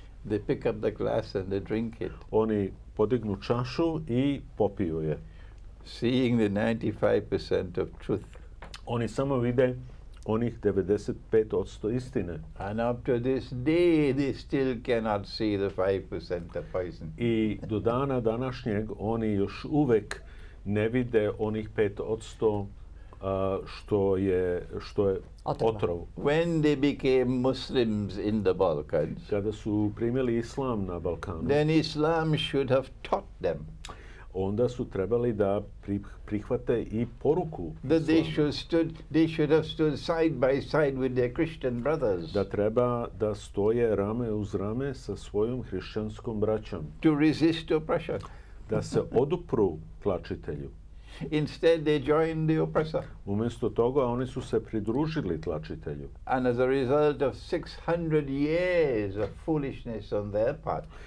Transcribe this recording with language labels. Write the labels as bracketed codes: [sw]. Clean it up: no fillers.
[en] They pick up the glass and they drink it. [sr] Oni podignu čašu i popiju je. [en] Seeing the 95% of truth. [sr] Oni samo vide onih 95% istine. [en] And up to this day they still cannot see the 5% of poison. [sr] I do dana današnjeg oni još uvek ne vide onih 5% što je otrov. [en] When they became Muslims in the Balkans. [sr] Kada su primili islam na Balkanu. [en] Then Islam should have taught them. [sr] Onda su trebali da prihvate i poruku [en] that they should have stood side by side with their Christian brothers, [sr] da treba da stoje rame uz rame sa svojom hrišćanskom braćom, [en] to resist oppression, [sr] da se odupru tlačitelju. [en] Instead they joined the oppressor. [sr] Umesto toga oni su se pridružili tlačitelju. [en] And as a result of 600 years of foolishness on their part.